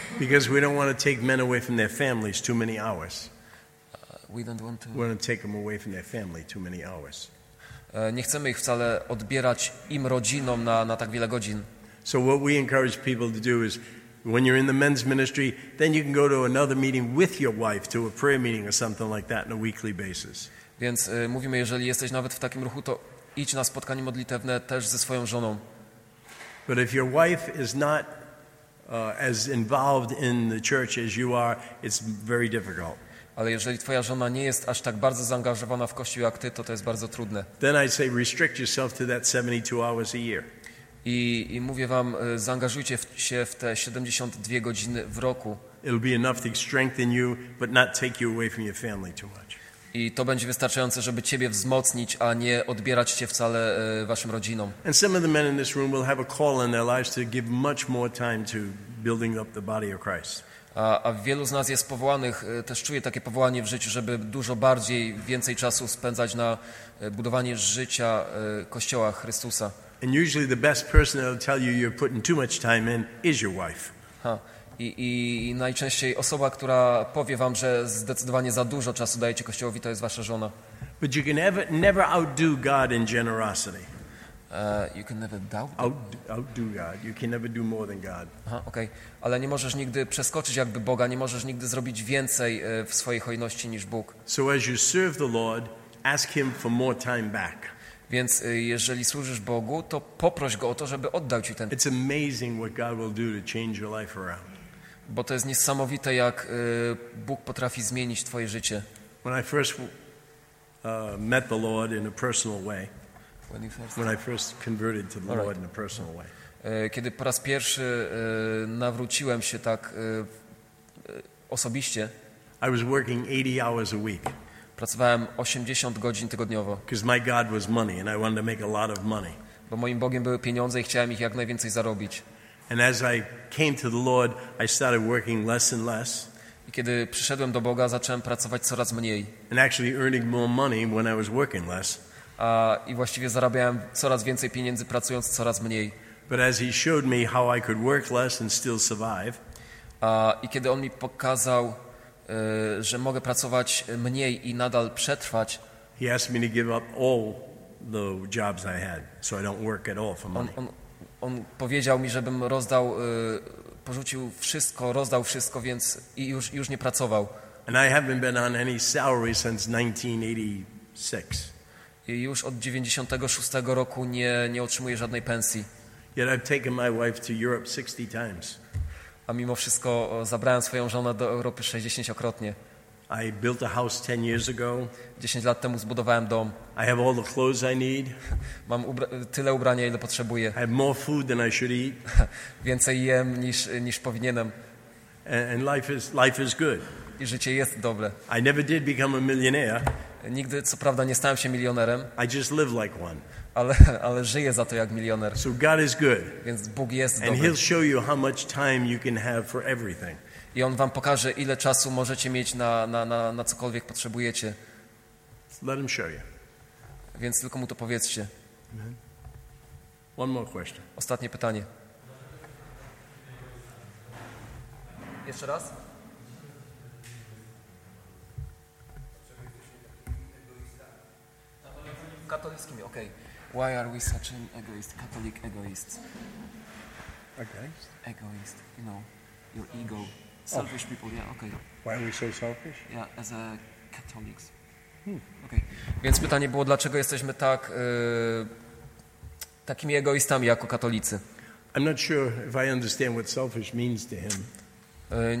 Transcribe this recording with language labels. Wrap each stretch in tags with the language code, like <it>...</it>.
<en>Because we don't want to take men away from their families too many hours. We don't want to take them away from their family too many hours.</en> <pl>Nie chcemy ich wcale odbierać im rodzinom na tak wiele godzin.</pl> <en>So what we encourage people to do is when you're in the men's ministry, then you can go to another meeting with your wife to a prayer meeting or something like that on a weekly basis.</en> <pl>Więc mówimy, jeżeli jesteś nawet w takim ruchu, to idź na spotkanie modlitewne też ze swoją żoną.</pl> <en>But if your wife is not as involved in the church as you are, it's very difficult.</en> <pl>Ale jeżeli twoja żona nie jest aż tak bardzo zaangażowana w Kościół jak ty, to jest bardzo trudne.</pl> <en>Then I say restrict yourself to that 72 hours a year.</en> <pl>I mówię wam, zaangażujcie się w te 72 godziny w roku.</pl> <en>It'll be enough to strengthen you, but not take you away from your family too much.</en> <pl>I to będzie wystarczające, żeby ciebie wzmocnić, a nie odbierać cię wcale waszym rodzinom.</pl> <en>And some of the men in this room will have a call in their lives to give much more time to building up the body of Christ.</en> <pl>A wielu z nas jest powołanych, też czuję takie powołanie w życiu, żeby dużo bardziej, więcej czasu spędzać na budowanie życia Kościoła Chrystusa.</pl> <en>And usually the best person that will tell you you're putting too much time in is your wife.</en> <pl>I najczęściej osoba, która powie wam, że zdecydowanie za dużo czasu dajecie Kościołowi, to jest wasza żona.</pl> <en>But you can never outdo God in generosity. You can never doubt outdo God. You can never do more than God. Okay.</en> <pl>Ale nie możesz nigdy przeskoczyć jakby Boga, nie możesz nigdy zrobić więcej w swojej hojności niż Bóg.</pl> <en>So as you serve the Lord, ask him for more time back.</en> <pl>Więc jeżeli służysz Bogu, to poproś go o to, żeby oddał ci ten.</pl> <en>It's amazing what God will do to change your life around.</en> <pl>Bo to jest niesamowite, jak Bóg potrafi zmienić twoje życie.</pl> <en>When I first met the Lord in a personal way. When I first converted to the Lord in a personal way.</en> <pl>Kiedy po raz pierwszy nawróciłem się tak osobiście.</pl> <en>I was working 80 hours a week.</en> <pl>Pracowałem 80 godzin tygodniowo.</pl> <en>Because my God was money and I wanted to make a lot of money.</en> <pl>Bo moim Bogiem były pieniądze i chciałem ich jak najwięcej zarobić.</pl> <en>And as I came to the Lord, I started working less and less.</en> <pl>I kiedy przyszedłem do Boga, zacząłem pracować coraz mniej.</pl> <en>And actually earning more money when I was working less.</en> <pl>I właściwie zarabiałem coraz więcej pieniędzy, pracując coraz mniej.</pl> <en>But as he showed me how I could work less and still survive.</en> <pl>I kiedy on mi pokazał, że mogę pracować mniej i nadal przetrwać.</pl> <en>He asked me to give up all the jobs I had, so I don't work at all for money.</en> <pl>On powiedział mi, żebym rozdał, porzucił wszystko, rozdał wszystko, więc i już nie pracował.</pl> <en>And I haven't been on any salary since 1986.</en> <pl>I już od 96 roku nie otrzymuję żadnej pensji.</pl> <en>Yet I've taken my wife to Europe 60 times.</en> <pl>A mimo wszystko zabrałem swoją żonę do Europy 60-krotnie.</pl> <en>I built a house 10 years ago.</en> <pl>10 lat temu zbudowałem dom.</pl> <en>I have all the clothes I need.</en> <pl>Mam tyle ubrania, ile potrzebuję.</pl> <en>I have more food than I should eat.</en> <pl>Więcej jem niż powinienem.</pl> <en>And life is good.</en> <pl>I życie jest dobre.</pl> <en>I never did become a millionaire.</en> <pl>Nigdy, co prawda, nie stałem się milionerem.</pl> <en>I just live like one.</en> <pl>Ale żyję za to jak milioner.</pl> <en>So God is good.</en> <pl>Więc Bóg jest dobry.</pl> <en>And he'll show you how much time you can have for everything.</en> <pl>I on wam pokaże, ile czasu możecie mieć na cokolwiek potrzebujecie.</pl> <en>Let him show you.</en> <pl>Więc tylko mu to powiedzcie.</pl> <en>Amen. One more question.</en> <pl>Ostatnie pytanie. Jeszcze raz? Katolickimi, okej. Okay.</pl> <en>Why are we such an egoist? Catholic egoists. Egoist? Egoist, you know, your ego. Selfish people, yeah, okay. Why are we so selfish? Yeah, as a Catholics. Hmm. Okay.</en> <pl>Więc pytanie było, dlaczego jesteśmy tak takimi egoistami jako katolicy?</pl> <en>I'm not sure if I understand what selfish means to him.</en>